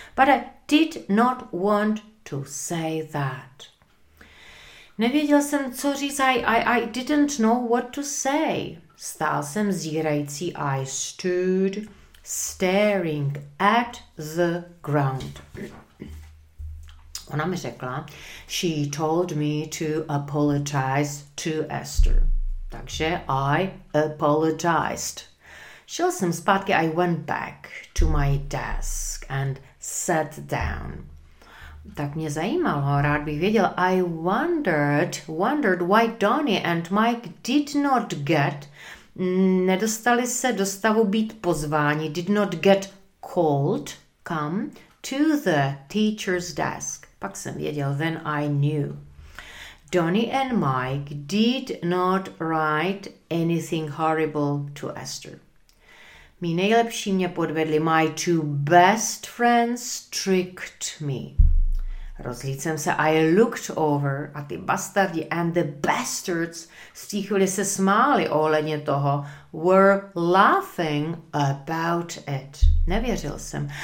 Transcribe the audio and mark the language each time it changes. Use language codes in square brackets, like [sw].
[en] But I did not want to say that. [cs] Nevěděl jsem, co říct, [en] I didn't know what to say. [cs] Stál jsem zírající, [en] I stood staring at the ground. [cs] Ona mi řekla, [en] she told me to apologize to Esther. [cs] Takže [en] I apologized. [cs] Šel jsem zpátky, [en] I went back to my desk and sat down. [cs] Tak mě zajímalo, rád bych věděl, [en] I wondered why Donnie and Mike did not get, [cs] nedostali se do stavu být pozváni, [en] did not get called, come to the teacher's desk. [cs] Pak jsem věděl, [en] then I knew. Donnie and Mike did not write anything horrible to Esther. [cs] Mí nejlepší mě podvedli, [en] my two best friends tricked me. [cs] Rozhlíd jsem se, [en] I looked over, [cs] a ty bastardi [en] and the bastards [cs] z té chvíli se smáli ohledně toho, [en] were laughing about it. [cs] Nevěřil jsem.